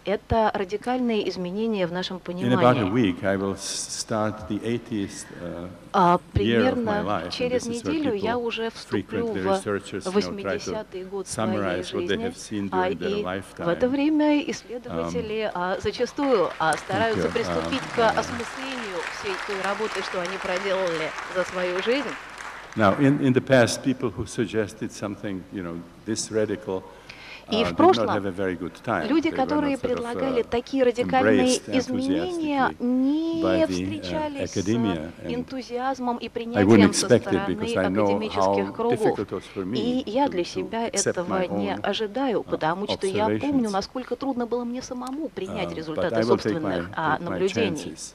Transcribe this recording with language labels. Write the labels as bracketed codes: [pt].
[ru] Это радикальные изменения в нашем понимании. [en] In about a week, I will start the 80th [ru] Примерно через неделю я уже вступлю в 80-й год своей жизни, и в это время исследователи зачастую стараются приступить к осмыслению всей той работы, что они проделали за свою жизнь. [en] Now, in the past, people who suggested something, you know, this radical, [ru] И в прошлом люди, которые предлагали такие радикальные изменения, не встречались с энтузиазмом и принятием со стороны академических кругов. И я для себя этого не ожидаю, потому что я помню, насколько трудно было мне самому принять результаты собственных наблюдений.